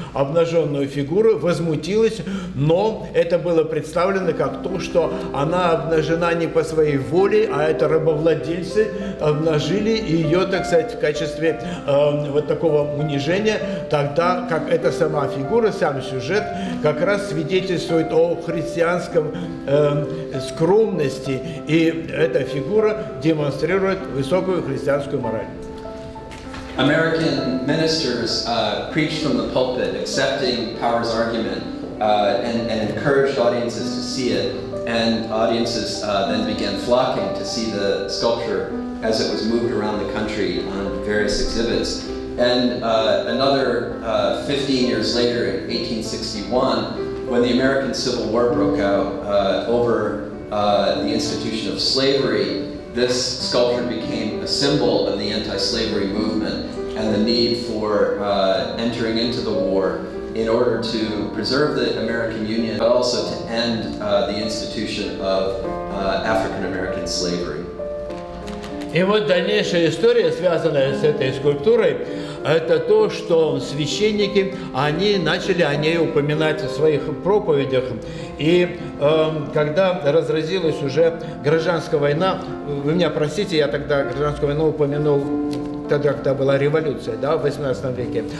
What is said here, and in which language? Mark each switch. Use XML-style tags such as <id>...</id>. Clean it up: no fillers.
<ru>обнаженную фигуру, возмутилась, но это было представлено как то, что она обнажена не по своей воле, а это рабовладельцы обнажили ее, так сказать, в качестве вот такого унижения, тогда как эта сама фигура, сам сюжет как раз свидетельствует о христианском скромности, и эта фигура демонстрирует высокую христианскую мораль.</ru> <en>American ministers preached from the pulpit, accepting Power's argument, and encouraged audiences to see it. And audiences then began flocking to see the sculpture as it was moved around the country on various exhibits. And another 15 years later, in 1861, when the American Civil War broke out over the institution of slavery, this sculpture became a symbol of the anti-slavery movement and the need for entering into the war in order to preserve the American Union, but also to end the institution of African-American slavery.</en> <ru>И вот дальнейшая история, связанная с этой скульптурой, это то, что священники, они начали о ней упоминать в своих проповедях. И когда разразилась уже гражданская война, вы меня простите, я тогда гражданскую войну упомянул, тогда, когда была революция, да, в 18 веке.</ru>